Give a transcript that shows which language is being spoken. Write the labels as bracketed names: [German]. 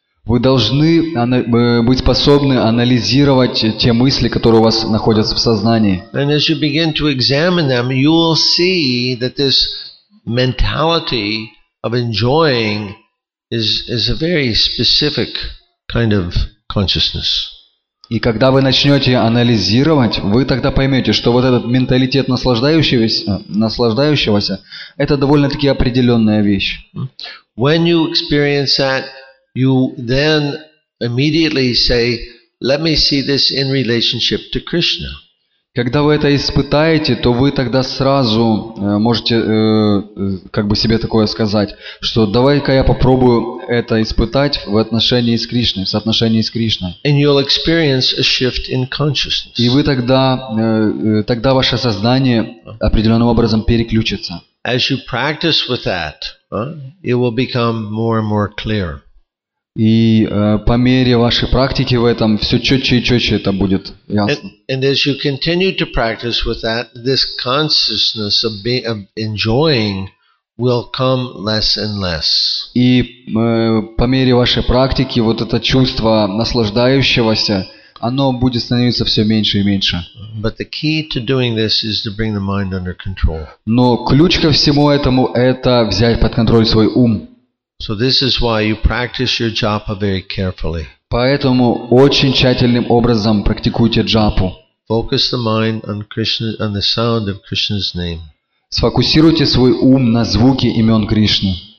[Russian] Вы должны быть способны анализировать те мысли, которые у вас находятся в сознании. [English] And as you begin to examine them, you will see that this mentality of enjoying is a very specific kind of consciousness. [Russian] И когда вы начнете анализировать, вы тогда поймете, что вот этот менталитет наслаждающегося, это довольно-таки определенная вещь. [English] When you experience that, you then immediately say, "Let me see this in relationship to Krishna." [Russian] Когда вы это испытаете, то вы тогда сразу можете как бы себе такое сказать, что давай-ка я попробую это испытать в отношении с Кришной, в соотношении с Кришной. [English] And you'll experience a shift in consciousness. [Russian] И вы тогда ваше сознание определенным образом переключится. [English] As you practice with that, it will become more and more clear. [Russian] И по мере вашей практики в этом все четче и четче это будет ясно. [English] And as you continue to practice with that, this consciousness of enjoying will come less and less. [Russian] И по мере вашей практики вот это чувство наслаждающегося, оно будет становиться все меньше и меньше. [English] But the key to doing this is to bring the mind under control. [Russian] Но ключ ко всему этому – это взять под контроль свой ум. [English] So this is why you practice your japa very carefully. [Russian] Поэтому очень тщательным образом практикуйте джапу. [English] Focus the mind on Krishna, on the sound of Krishna's name. [Russian] Сфокусируйте свой ум на звуке имен Кришны.